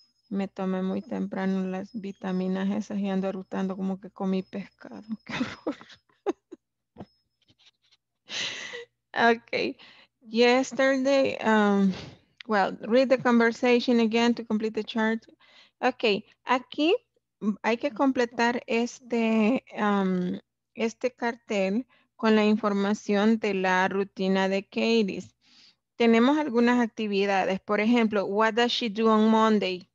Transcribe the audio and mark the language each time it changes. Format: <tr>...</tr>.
<es>Me tomé muy temprano las vitaminas esas y ando arrutando como que comí pescado. Qué horror.</es> <en>Okay. Yesterday, well, read the conversation again to complete the chart. Okay.</en> <es>Aquí hay que completar este cartel con la información de la rutina de Katie. Tenemos algunas actividades. Por ejemplo,</es> <en>what does she do on Monday?</en>